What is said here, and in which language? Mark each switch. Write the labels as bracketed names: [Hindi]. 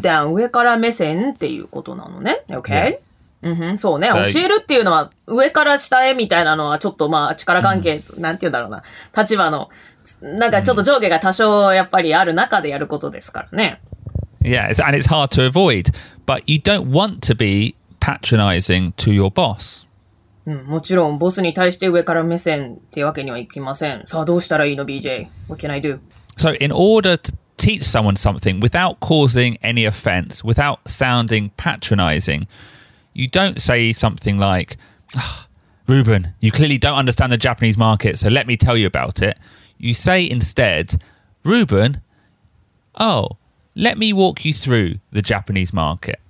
[English] down. [Japanese] 上から目線っていうことなのね。 [English] Okay? Yeah. Mm-hmm. [Japanese] そうね。 So, 教えるっていうのは、上から下へみたいなのは、ちょっとまあ力関係、mm. なんて言うんだろうな。立場の、なんかちょっと上下が多少やっぱりある中でやることですからね。 [English] Yeah, and it's hard to avoid. But you don't want to be patronizing to your boss. [Japanese] うん、もちろん、ボスに対して上から目線ってわけにはいきません。さあ、どうしたらいいの、BJ? [English] What can I do? So, in order to teach someone something without causing any offense, without sounding patronizing, you don't say something like,、oh, Ruben, you clearly don't understand the Japanese market, so let me tell you about it. You say instead, Ruben, oh, let me walk you through the Japanese market.